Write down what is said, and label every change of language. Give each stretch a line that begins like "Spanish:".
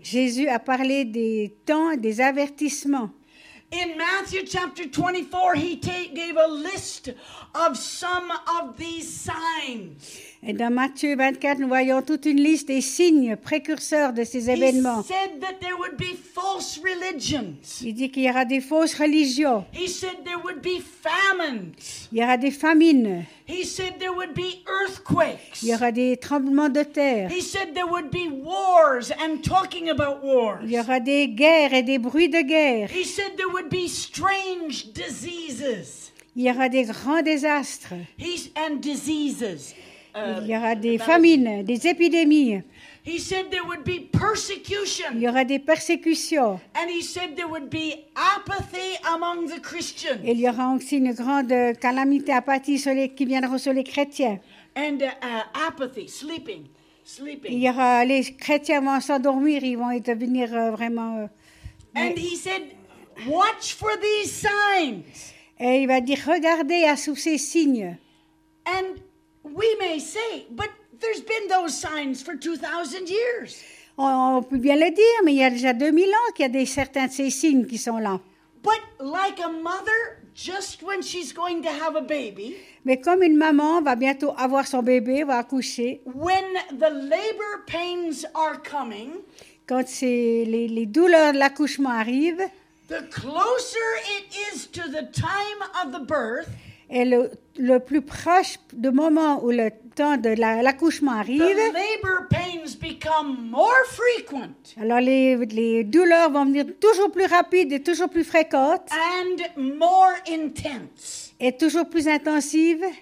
French: Jésus a parlé des temps, des avertissements.
English: In Matthew chapter 24, he gave a list of some of these signs.
French: Et dans Matthieu 24, nous voyons toute une liste des signes précurseurs de ces événements.
English: He said that there would be false religions.
French: Il dit qu'il y aura des fausses religions.
English: He said there would be famines.
French: Il y aura des famines.
English: He said there would be earthquakes.
French: Il y aura des tremblements de terre.
English: He said there would be wars and talking about wars.
French: Il y aura des guerres et des bruits de guerre.
English: He said there would be strange diseases.
French: Il y aura des grands désastres.
English: And diseases.
French: Il y aura des famines, des épidémies.
English: He said there would be persecution.
French: Il y aura des persécutions.
English: And he said there would be apathy among the Christians.
French: Et il y aura aussi une grande calamité, apathie sur les, qui viendra sur les chrétiens.
English: And apathy, sleeping.
French: Il y aura les chrétiens vont s'endormir, ils vont devenir vraiment.
English: And he said, watch for these signs.
French: Et il va dire, regardez à sous ces signes.
English: And we may say, but there's been those signs for 2,000 years.
French: On peut bien le dire, mais il y a déjà 2000 ans qu'il y a des certains de ces signes qui sont là.
English: But like a mother, just when she's going to have a baby.
French: Mais comme une maman va bientôt avoir son bébé, va accoucher.
English: When the labor pains are coming.
French: Quand c'est les douleurs de l'accouchement arrivent.
English: The closer it is to the time of the birth.
French: Et le plus proche du moment où le temps de l'accouchement arrive,
English: the labor pains become more frequent.
French: Alors les douleurs vont venir toujours plus rapides et toujours plus fréquentes.
English: And more intense.
French: Et toujours plus intensives.